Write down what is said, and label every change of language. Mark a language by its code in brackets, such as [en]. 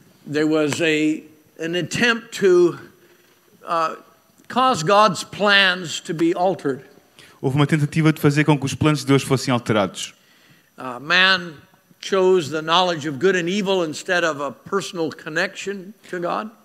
[en] there was an attempt to cause God's plans to be altered. [pt] Houve uma tentativa de fazer com que os planos de Deus fossem alterados. [en] Man chose the knowledge of good and evil instead of a personal connection to God.